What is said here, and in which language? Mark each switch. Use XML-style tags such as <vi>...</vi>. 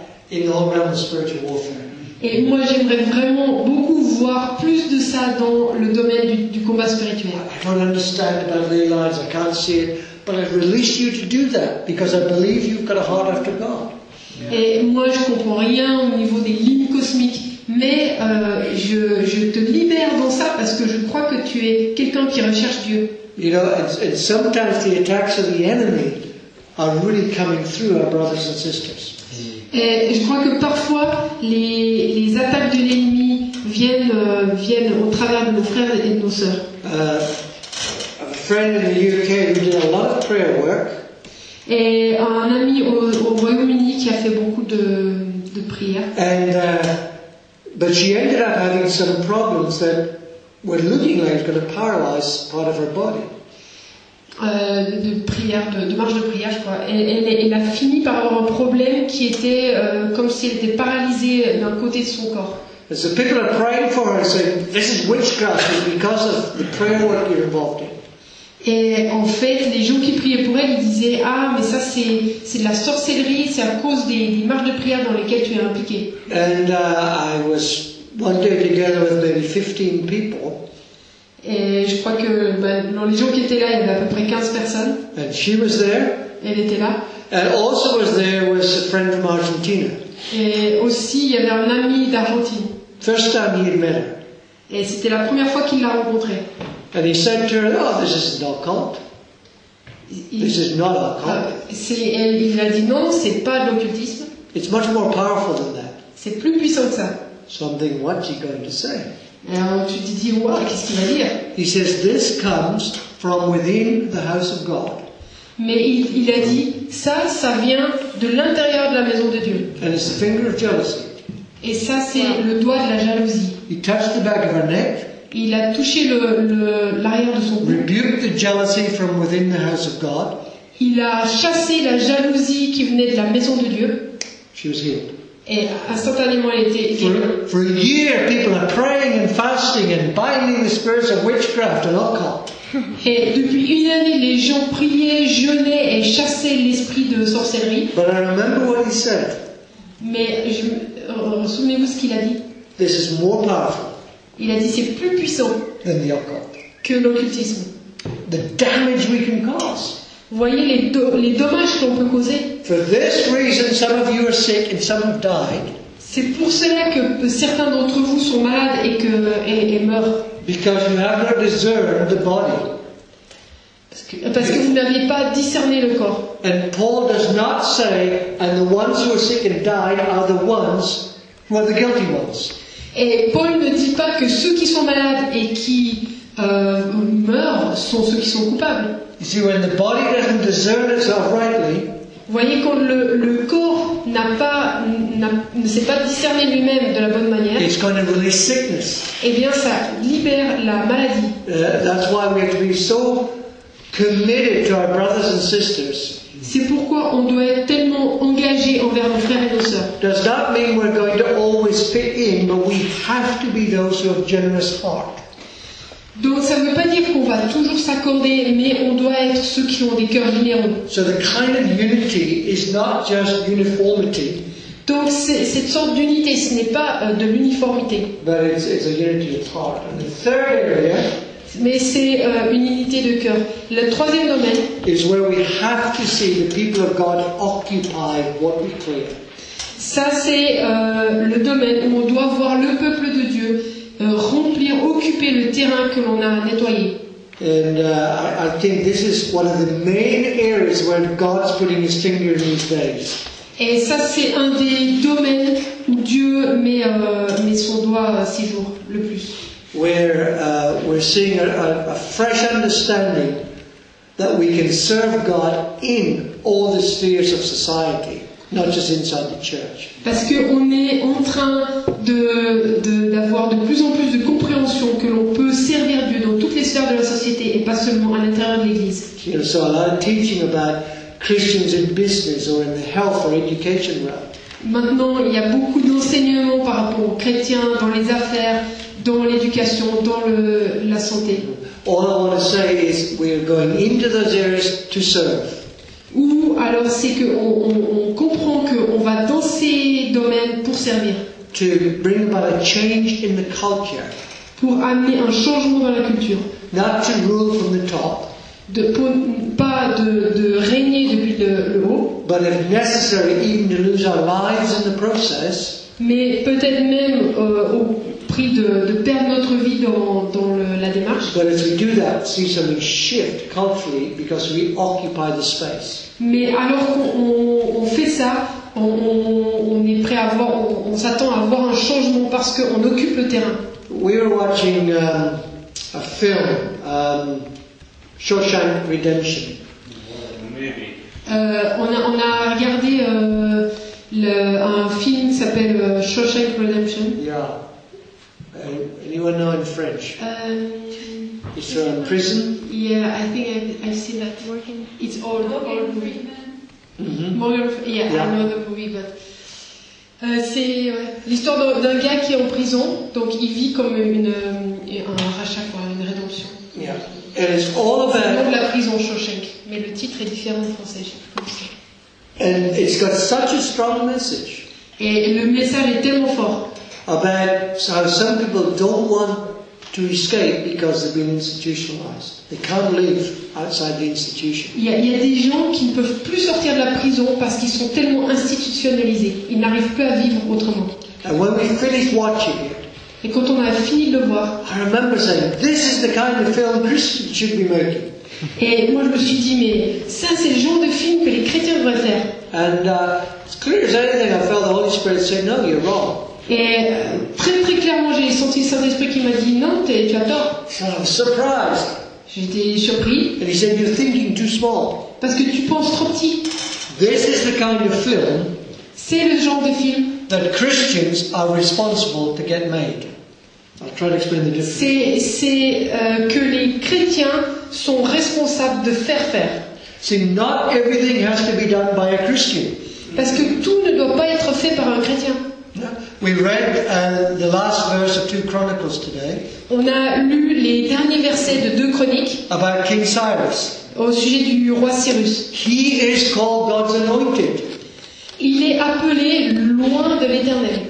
<fr>Et moi, j'aimerais vraiment beaucoup voir plus de ça dans le domaine du combat spirituel.</fr> <en>I don't understand about the lines, I can't see it, but I release you to do that because I believe you've got a heart after God. Yeah.</en> <fr>Et moi, je comprends rien au niveau des lignes cosmiques. Mais je te libère dans ça parce que je crois que tu es quelqu'un qui recherche Dieu.</fr> <en>You know, and sometimes the attacks of the enemy are really coming through our brothers and sisters.</en> <fr>Et je crois que parfois les attaques de l'ennemi viennent au travers de nos frères et de nos sœurs.</fr> <en>A friend in the UK who did a lot of prayer work.</en> <fr>Et un ami au Royaume-Uni qui a fait beaucoup de prières.</fr> <en>And but she ended up having some problems that were looking like it was going to paralyze part of her body.</en> <fr>De prière, de marche de prière, je crois. Elle a fini par avoir un problème qui était comme si elle était paralysée d'un côté de son corps.</fr> <en>And so people are praying for her and saying, this is witchcraft because of the prayer work you're involved in.</en> <fr>Et en fait, les gens qui priaient pour elle, ils disaient, ah, mais ça, c'est de la sorcellerie, c'est à cause des marches de prière dans lesquelles tu es impliqué.</fr> <en>And I was one day together with maybe 15 people.</en> <fr>Et je crois que dans les gens qui étaient là, il y avait à peu près 15 personnes.</fr> <en>And she was there.</en> <fr>Elle était là.</fr> <en>And also was there was a friend from Argentina.</en> <fr>Et aussi, il y avait un ami d'Argentine.</fr> <en>First time he had met her.</en> <fr>Et c'était la première fois qu'il l'a rencontrée.</fr> <en>And he said to her, oh, this is not occult. This is not occult.</en> <fr>Il a dit non, c'est pas de l'occultisme.</fr> <en>It's much more powerful than that.</en> <fr>C'est plus puissant que ça.</fr> <en>Something, what's he going to say?</en> <fr>Alors tu te dis, wow, qu'est-ce qu'il va dire?</fr> <en>He says, this comes from within the house of God.</en> <fr>Mais il a dit, ça vient de l'intérieur de la maison de Dieu.</fr> <en>And it's the finger of jealousy.</en> <fr>Et ça, c'est wow. Le doigt de la jalousie.</fr> <en>He touched the back of her neck.</en> <fr>Il a touché l'arrière de son cou.</fr> <en>Rebuked the jealousy from within the house of God.</en> <fr>Il a chassé la jalousie qui venait de la maison de Dieu.</fr> <en>She was healed.</en> <fr>Et instantanément, elle était guérie.</fr> <en>For a year, people are praying and fasting and binding the spirits of witchcraft and occult.</en> <fr>Et depuis une année, les gens priaient, jeûnaient et chassaient l'esprit de sorcellerie.</fr> <en>But I remember what he said.</en> <fr>Mais souvenez-vous ce qu'il a dit.</fr> <en>This is more powerful.</en> <fr>Il a dit c'est plus puissant que l'occultisme.</fr> <en>the damage we can cause.</en> <fr>Vous voyez les dommages qu'on peut causer.</fr> <en>For this reason, some of you are sick and some have died.</en> <fr>C'est pour cela que certains d'entre vous sont malades et que et meurent.</fr> <en>Because you have not discerned the body.</en> <fr>Parce que vous n'aviez pas discerné le corps.</fr> <en>And Paul does not say, and the ones who are sick and died are the ones who are the guilty ones.</en> <fr>Et Paul ne dit pas que ceux qui sont malades et qui meurent sont ceux qui sont coupables.</fr> <en>You see, when the body doesn't discern itself rightly.</en> <fr>Vous voyez, quand le corps ne s'est pas discerné lui-même de la bonne manière,</fr> <en>it's going to release sickness.</en> <fr>Et bien ça libère la maladie.</fr> <en>That's why we have to be so committed to our brothers and sisters.</en> <fr>C'est pourquoi on doit être tellement engagé envers nos frères et nos sœurs.</fr> <en>Does that mean we're going to always fit in, but we have to be those who have generous heart?</en> <fr>Donc ça ne veut pas dire qu'on va toujours s'accorder, mais on doit être ceux qui ont des cœurs généreux.</fr> <en>So the kind of unity is not just uniformity.</en> <fr>Donc cette sorte d'unité, ce n'est pas de l'uniformité.</fr> <en>But it's a unity of heart. And the third area.</en> <fr>Mais c'est une unité de cœur. Le troisième domaine.</fr> <en>Is where we have to see the people of God occupy what we claim.</en> <fr>Ça c'est le domaine où on doit voir le peuple de Dieu remplir, occuper le terrain que l'on a nettoyé.</fr> <en>And I think this is one of the main areas where God is putting His finger in these days.</en> <fr>Et ça c'est un des domaines où Dieu met son doigt ces jours le plus.</fr> <en>Where we're seeing a fresh understanding that we can serve God in all the spheres of society, not just inside the church.</en> <fr>Parce que on est en train d'avoir de plus en plus de compréhension que l'on peut servir Dieu dans toutes les sphères de la société et pas seulement à l'intérieur de l'Église.</fr> <en>You know, so a lot of teaching about Christians in business or in the health or education realm.</en> <fr>Maintenant, il y a beaucoup d'enseignements par rapport aux chrétiens dans les affaires, dans l'éducation, dans la santé.</fr> <en>All I want to say is we are going into those areas to serve.</en> <fr>Ou alors c'est qu'on comprend qu'on va dans ces domaines pour servir.</fr> <en>To bring about a change in the culture.</en> <fr>Pour amener un changement dans la culture.</fr> <en>Not to rule from the top.</en> <fr>Pas de régner depuis le haut.</fr> <en>But if necessary, even to lose our lives in the process.</en> <fr>Mais peut-être même au prix de perdre notre vie dans la démarche.</fr> <en>But as we do that, see something shift culturally because we occupy the space.</en> <fr>Mais alors qu'on fait ça, on est prêt à voir, on s'attend à voir un changement parce qu'on occupe le terrain.</fr> <en>We were watching a film, Shawshank Redemption.</en> <fr>On a regardé un film qui s'appelle Shawshank Redemption.</fr> <en>Yeah. Anyone know in French? It's from prison. Yeah, I think I've seen that working. It's all Morgan all Freeman. Mm-hmm. Yeah, I know the movie, but</en> <fr>c'est l'histoire d'un gars qui est en prison, donc il vit comme un rachat, quoi, une rédemption.</fr> <en>Yeah. And it's all about.</en> <fr>C'est le nom de la prison Shawshank, mais le titre est différent en français.</fr> <en>And it's got such a strong message.</en> <fr>Et le message est tellement fort.</fr> <en>About how some people don't want to escape because they've been institutionalized. They can't live outside the institution.</en> <fr>Il y a des gens qui ne peuvent plus sortir de la prison parce qu'ils sont tellement institutionnalisés. Ils n'arrivent plus à vivre autrement.</fr> <en>And when we finished watching it.</en> <fr>Et quand on a fini de le voir.</fr> <en>I remember saying, this is the kind of film Christians should be making.</en> <fr>Et moi je me suis dit, mais ça c'est le genre de film que les chrétiens devraient faire.</fr> <en>And as clear as anything, I felt the Holy Spirit say, no, you're wrong.</en> <fr>Et très très clairement, j'ai senti le Saint-Esprit qui m'a dit, non, tu as tort.</fr> <en>So I was surprised.</en> <fr>J'étais surpris.</fr> <en>And he said, you're thinking too small.</en> <fr>Parce que tu penses trop petit.</fr> <en>This is the kind of film.</en> <fr>C'est le genre de film.</fr> <en>That Christians are responsible to get made. I'll try to explain the difference.</en> <fr>C'est que les chrétiens sont responsables de faire.</fr> <en>See, not everything has to be done by a Christian.</en> <fr>Parce que tout ne doit pas être fait par un chrétien.</fr> <en>We read the last verse of 2 Chronicles today.</en> <fr>On a lu les derniers versets de 2 Chroniques.</fr> <en>About King Cyrus.</en> <fr>Au sujet du roi Cyrus.</fr> <en>He is called God's anointed.</en> <fr>Il est appelé loin de l'Éternel.</fr>